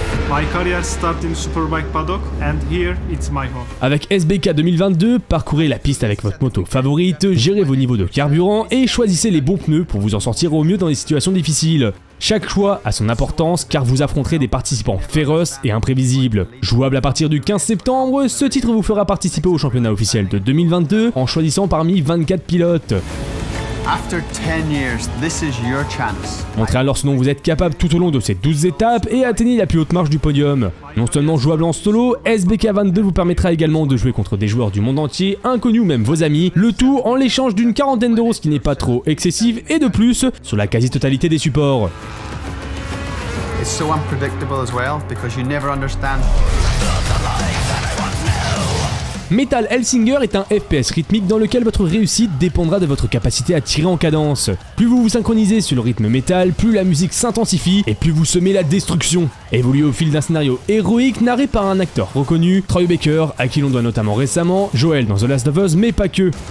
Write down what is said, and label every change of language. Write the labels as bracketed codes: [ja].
[en] My career started in Superbike Paddock and here it's my home. [fr] Avec SBK 2022, parcourez la piste avec votre moto favorite, gérez vos niveaux de carburant et choisissez les bons pneus pour vous en sortir au mieux dans les situations difficiles. Chaque choix a son importance car vous affronterez des participants féroces et imprévisibles. Jouable à partir du 15 septembre, ce titre vous fera participer au championnat officiel de 2022 en choisissant parmi 24 pilotes. [en] After 10 years, this is your chance. [fr] Montrez alors ce dont vous êtes capable tout au long de ces 12 étapes et atteignez la plus haute marge du podium. Non seulement jouable en solo, SBK22 vous permettra également de jouer contre des joueurs du monde entier, inconnus ou même vos amis, le tout en l'échange d'une quarantaine d'euros, ce qui n'est pas trop excessif, et de plus, sur la quasi-totalité des supports. [en] It's so unpredictable as well, because you never understand. [fr] Metal Hellsinger est un FPS rythmique dans lequel votre réussite dépendra de votre capacité à tirer en cadence. Plus vous vous synchronisez sur le rythme métal, plus la musique s'intensifie et plus vous semez la destruction. Évoluez au fil d'un scénario héroïque narré par un acteur reconnu, Troy Baker, à qui l'on doit notamment récemment, Joel dans The Last of Us, mais pas que.